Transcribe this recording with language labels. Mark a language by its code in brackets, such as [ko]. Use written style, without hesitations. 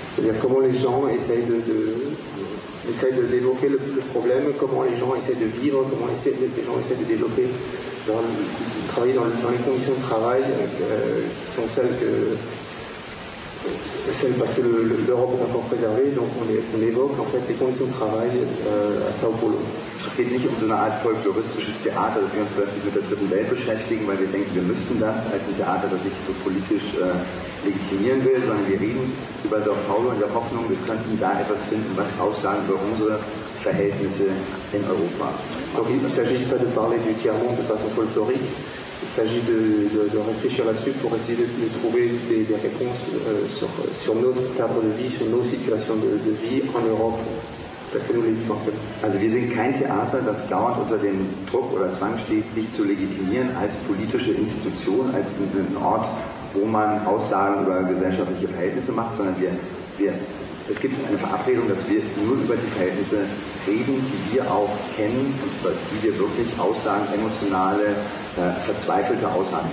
[fr] C'est-à-dire comment les gens essayent de développer le problème, comment les gens essayent de vivre, comment les gens essayent de développer, de travailler dans les conditions de travail qui sont celles parce que l'Europe est encore préservée, donc on évoque en fait les conditions de travail à São Paulo. [de] Es geht nicht um so eine Art folkloristisches Theater, dass wir uns plötzlich mit der dritten Welt beschäftigen, weil wir denken, wir müssten das als ein Theater, das sich so politisch legitimieren will, sondern wir reden über São Paulo in der Hoffnung, wir könnten da etwas finden, was aussagen über unsere Verhältnisse in Europa. [fr] Donc il ne s'agit pas de parler du tiers-monde de façon folklorique, il s'agit de réfléchir là-dessus pour essayer de trouver des réponses sur notre cadre de vie, sur nos situations de vie en Europe. [de] Also wir sind kein Theater, das dauernd unter dem Druck oder Zwang steht, sich zu legitimieren als politische Institution, als einen Ort, wo man Aussagen über gesellschaftliche Verhältnisse macht, sondern es gibt eine Verabredung, dass wir nur über die Verhältnisse reden, die wir auch kennen und über die wir wirklich Aussagen, emotionale, verzweifelte Aussagen